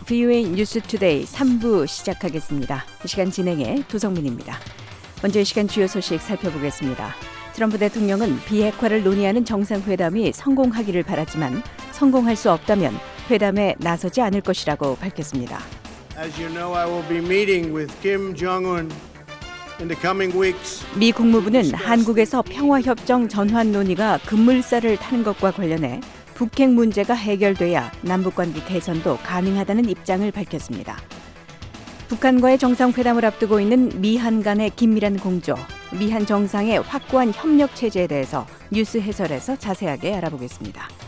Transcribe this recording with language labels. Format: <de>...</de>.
<ko>VOA 뉴스 투데이 3부 시작하겠습니다. 이 시간 진행의 도성민입니다. 먼저 이 시간 주요 소식 살펴보겠습니다. 트럼프 대통령은 비핵화를 논의하는 정상회담이 성공하기를 바라지만 성공할 수 없다면 회담에 나서지 않을 것이라고 밝혔습니다.</ko> <en>As you know, I will be meeting with Kim Jong-un in the coming weeks.</en> <ko>미 국무부는 한국에서 평화협정 전환 논의가 급물살을 타는 것과 관련해 북핵 문제가 해결돼야 남북관계 개선도 가능하다는 입장을 밝혔습니다. 북한과의 정상회담을 앞두고 있는 미한 간의 긴밀한 공조, 미한 정상의 확고한 협력 체제에 대해서 뉴스 해설에서 자세하게 알아보겠습니다.</ko>